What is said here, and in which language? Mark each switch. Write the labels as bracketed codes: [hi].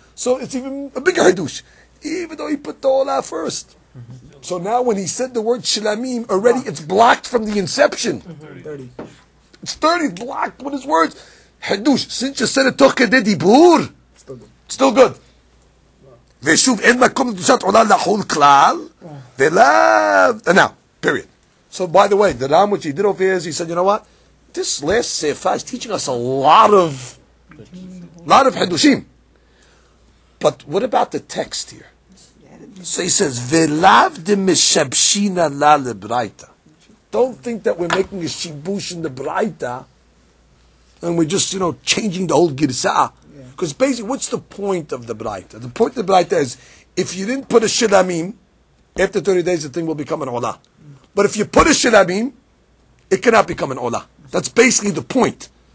[en] So it's even a bigger hadush. Even though he put the Ola first. So now when he said the word shelamim, already it's blocked from the inception. 30. It's 30, blocked with his words. Hadush, since you said it took a dedibur, still good. [he] ושוב, אין מקום לדושת עולה לחול כלל, ולאו... [en] Now, period. So, by the way, the Ram, which he did over here, is he said, you know what? This last sefa is teaching us a lot of... lot of hadushim. But what about the text here? So he says, [he] ולאו דמשבשינה לה לברייתא. [en] Don't think that we're making a שיבוש in the ברייתא, and we're just, you know, changing the whole גרסאה. Because basically, what's the point of the Braita? The point of the Braita is, if you didn't put a Shilamim, after 30 days, the thing will become an Ola. But if you put a Shilamim, it cannot become an Ola. That's basically the point.